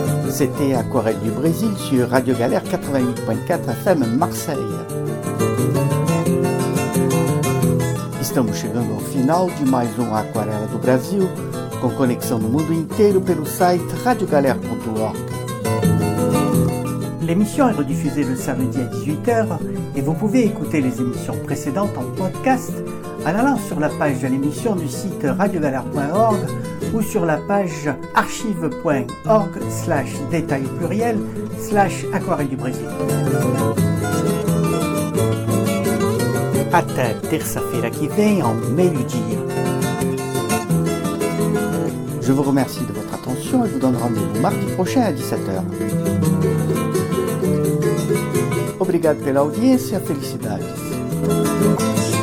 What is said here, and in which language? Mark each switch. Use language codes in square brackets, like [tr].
[fr] C'était Aquarelle du Brésil sur Radio Galère 88.4 FM Marseille. [pt] Estamos chegando ao final de mais Aquarela do Brasil, com conexão no mundo inteiro pelo site radiogalère.org. [fr] L'émission est rediffusée le samedi à 18h et vous pouvez écouter les émissions précédentes en podcast en allant sur la page de l'émission du site radiogalère.org ou sur la page archive.org/détail/aquarelle du Brésil. [pt] Até terça-feira que vem, en meio-dia. [fr] Je vous remercie de votre attention et vous donne rendez-vous mardi prochain à 17h. [pt] Obrigado pela audiência, felicidades.